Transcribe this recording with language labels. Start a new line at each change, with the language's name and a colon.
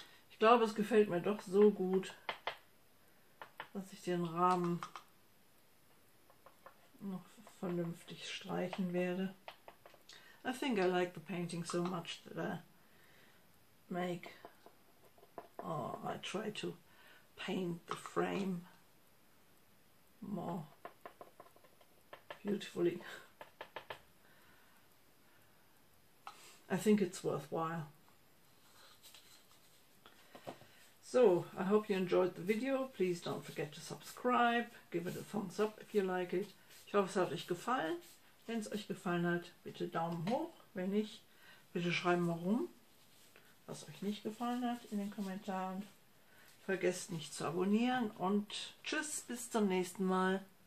German: Ich glaube, es gefällt mir doch so gut, dass ich den Rahmen noch vernünftig streichen werde.
English: I think I like the painting so much that I make or I try to paint the frame more beautifully. I think it's worthwhile. So, I hope you enjoyed the video. Please don't forget to subscribe. Give it a thumbs up if you like it.
German: Ich hoffe, es hat euch gefallen. Wenn es euch gefallen hat, bitte Daumen hoch. Wenn nicht, bitte schreiben warum. Was euch nicht gefallen hat, in den Kommentaren. Vergesst nicht zu abonnieren und tschüss, bis zum nächsten Mal.